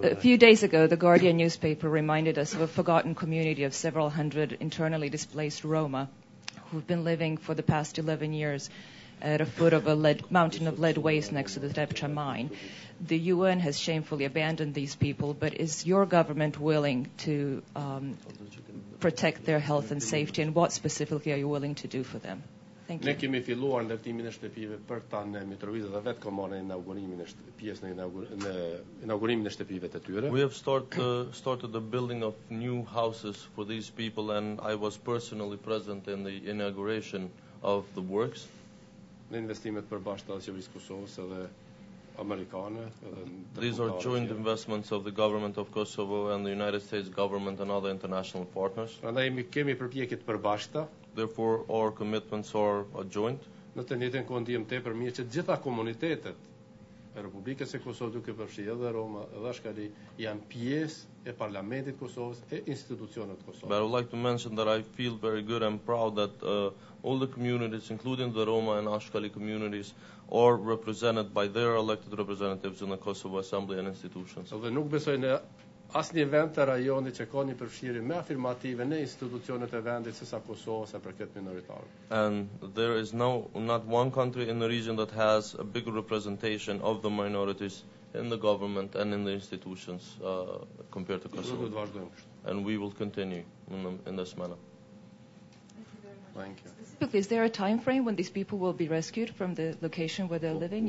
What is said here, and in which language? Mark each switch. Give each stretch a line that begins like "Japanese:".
English: A few days ago, the Guardian newspaper reminded us of a forgotten community of several hundred internally displaced Roma who have been living for the past 11 years at a foot of a lead mountain of lead waste next to the Debrecen mine. The UN has shamefully abandoned these people, but is your government willing to protect their health and safety, and what specifically are you willing to do for them? Thank you.
Albanian: Ne kemi filluar ndërtimin e shtëpive për ta në Mitrovica dhe vetë komonë inaugurimin e shtëpive të tyre.
English: We have started the building of new houses for these people, and I was personally present in the inauguration of the works.
Albanian: Në investimet përbashkëta të Qeverisë Kosovëse dhe amerikane.
English: These are joint investments of the government of Kosovo and the United States government and other international partners.
Albanian: Prandaj kemi përpjekje të përbashkëta.
English: Therefore our commitments are joint.
Albanian: Në të njëjtën kohë ndiem tepër mirë që të gjitha komunitetet e Republikës së Kosovës, duke përfshirë edhe Roma dhe Ashkali, janë pjesë e parlamentit Kosovës e institucionet të Kosovës.
English: But I would like to mention that I feel very good and proud that all the communities, including the Roma and Ashkali communities, are represented by their elected representatives in the Kosovo Assembly and institutions.
Albanian: Dhe nuk besoj në asnjë vend të rajonit që ka një përfshirje më afirmative në institucionet e vendit sesa Kosova sa për këtë minoritar.
English: And there is not one country in the region that has a bigger representation of the minorities in the government and in the institutions compared to Kosovo. And we will continue in this manner. Thank you. Is there a time frame when these people will be rescued from the location where they're living?